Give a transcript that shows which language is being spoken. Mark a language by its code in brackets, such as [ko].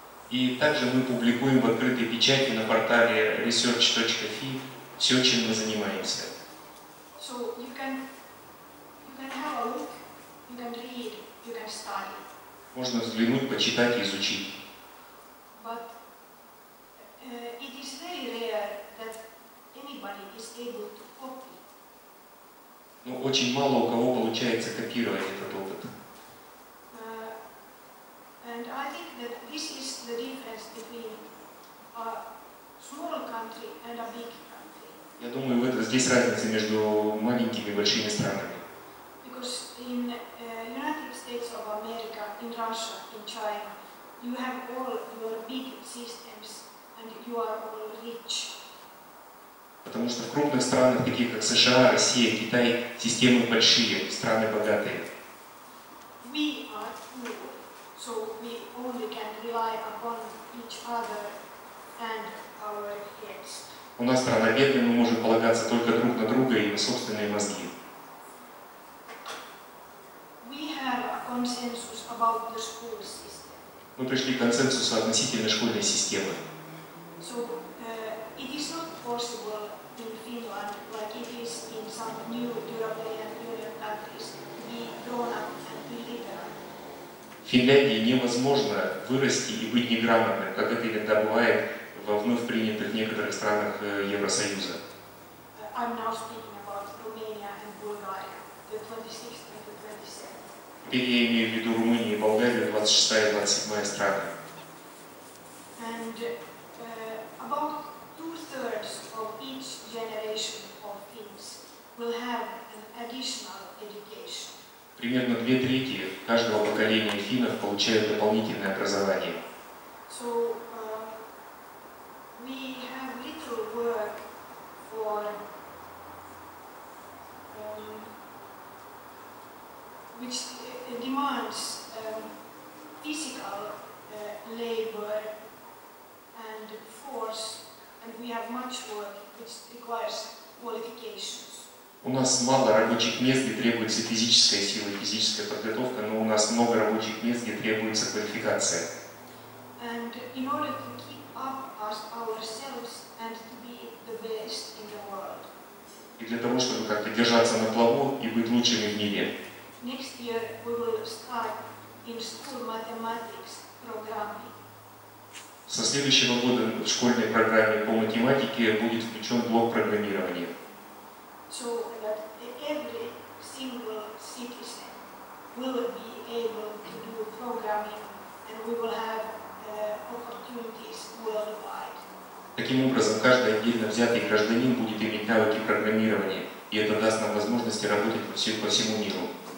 [ru] И также мы публикуем в открытой печати на портале research.fi все, чем мы занимаемся. [en] So you can have a look, you can read, you can study. [ru] Можно взглянуть, почитать и изучить. [en] But it is very rare that anybody is able to copy. [ru] Но очень мало у кого получается копировать этот опыт. [en] And I think that this is the difference between a small country and a big country. [ru] Я думаю, здесь разница между маленькими и большими странами. [en] Because in United States of America, in Russia, in China, you have all your big systems and you are all rich. [ru] Потому что в крупных странах, таких как США, Россия, Китай, системы большие, страны богатые. [en] We are poor, so we only can rely upon each other and our heads. [ru] У нас страна бедная, мы можем полагаться только друг на друга и на собственные мозги. [en] We have a consensus about the school system. [ru] Мы пришли к консенсусу относительно школьной системы. [en] So, it is not possible in Finland, like it is in some new European Union countries, to be grown up and be literate. [ru] В Финляндии невозможно вырасти и быть неграмотным, как это иногда бывает во вновь принятых некоторых странах Евросоюза. [en] I'm now speaking about Romania and Bulgaria, the 26th and the 27th. [ru] Теперь я имею в виду Румынию и Болгарию, 26 и 27 страны. [en] And about two-thirds of each generation of Finns will have an additional education. [ru] Примерно две трети каждого поколения финнов получают дополнительное образование. [en] So, we have little work for which demands physical labor and force, and we have much work which requires qualifications. [ru] У нас мало рабочих мест, где требуется физическая сила и физическая подготовка, но у нас много рабочих мест, где требуется квалификация. [en] And in order to keep up as ourselves and to be the best in the world. [ru] И для того, чтобы как-то держаться на плаву и быть лучшими в мире. [en] Next year we will start in school mathematics programming. [ru] Со следующего года в школьной программе по математике будет включен блок программирования. [en] So that every single citizen will be able to do programming and we will have opportunities worldwide. [ru] Таким образом, каждый отдельно взятый гражданин будет иметь навыки программирования, и это даст нам возможности работать по всему миру.